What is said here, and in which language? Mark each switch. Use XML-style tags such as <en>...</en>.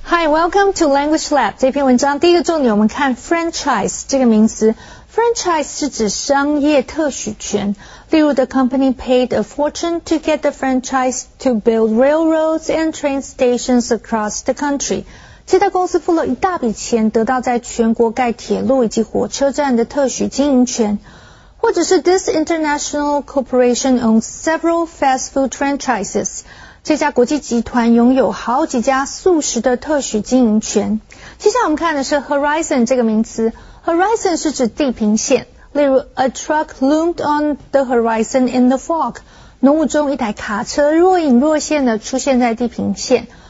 <en>Welcome to Language Lab.</en> <zh>这篇文章第一个重点我们看 franchise 这个名词。 Franchise 是指商业特许权。例如</zh> <en>the company paid a fortune to get the franchise to build railroads and train stations across the country.</en> <zh>这家公司付了一大笔钱得到在全国盖铁路以及火车站的特许经营权。或者是</zh> <en>this international corporation owns several fast food franchises.</en> <zh>这家国际集团拥有好几家素食的特许经营权。接下来我们看的是 horizon 这个名词。horizon 是指地平线。例如</zh> <en>,a truck loomed on the horizon in the fog.</en> <zh>浓雾中一台卡车若隐若现地出现在地平线。</zh>